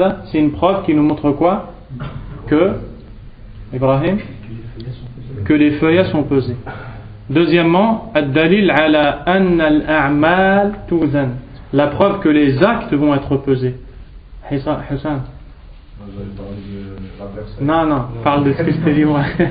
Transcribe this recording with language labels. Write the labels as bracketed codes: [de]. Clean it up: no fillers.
[fr] C'est une preuve qui nous montre quoi? Que Ibrahim, que les feuillets sont pesés. Deuxièmement, [ar] الدليل على أن الأعمال توزن. [fr] La preuve que les actes vont être pesés. Hassan. Non, non, non, parle de ce que je t'ai dit moi.